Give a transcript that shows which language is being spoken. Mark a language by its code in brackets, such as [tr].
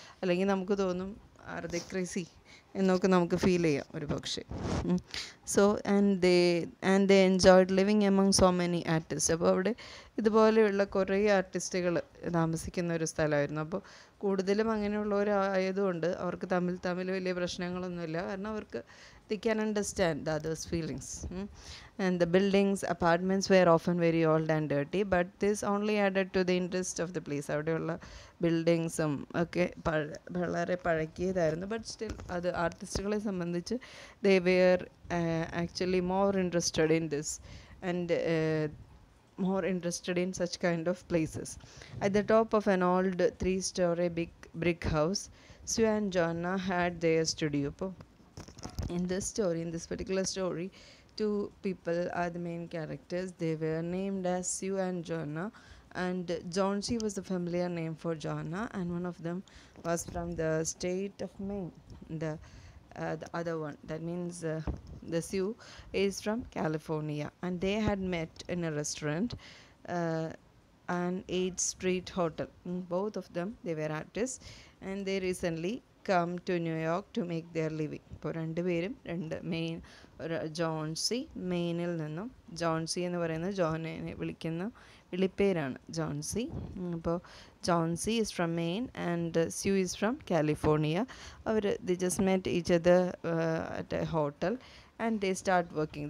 [ml] അല്ലെങ്കിൽ നമുക്ക് തോന്നും ആർദേ ക്രേസി എന്നൊക്കെ നമുക്ക് ഫീൽ ചെയ്യാം ഒരു പക്ഷേ. [en] So and they enjoyed living among so many artist. [ml] അപ്പോൾ അവിടെ ഇതുപോലെയുള്ള കുറേ ആർട്ടിസ്റ്റുകൾ താമസിക്കുന്ന ഒരു സ്ഥലമായിരുന്നു. അപ്പോൾ കൂടുതലും അങ്ങനെയുള്ളവരായതുകൊണ്ട് അവർക്ക് തമ്മിൽ വലിയ പ്രശ്നങ്ങളൊന്നുമില്ല. കാരണം അവർക്ക് [en] they can understand the others' feelings. And the buildings, apartments were often very old and dirty, but this only added to the interest of the place. [ml] അവിടെയുള്ള ബിൽഡിങ്സും ഒക്കെ വളരെ പഴകിയതായിരുന്നു. [en] but still [ml] അത് ആർട്ടിസ്റ്റുകളെ സംബന്ധിച്ച് [en] they were actually more interested in this and more interested in such kind of places. At the top of an old 3-story big brick house, Sue and Joanna had their studio. In this particular story, two people are the main characters. They were named as Sue and Joanna, and Jonesy was a familiar name for Joanna, and one of them was from the state of Maine. The other one, that means the Sue, is from California, and they had met in a restaurant, an 8th Street Hotel. Both of them, they were artists, and they recently come to New York to make their living. [ml] ഇപ്പോൾ രണ്ടുപേരും രണ്ട് main Johnsy മെയിനിൽ നിന്നും, ജോൺസി എന്ന് പറയുന്നത് ജോനെ വിളിക്കുന്ന വിളിപ്പേരാണ് ജോൺസി. [en] അപ്പോൾ Johnsy is from Maine and Sue is from California. അവർ the just met each other at a hotel and they start working.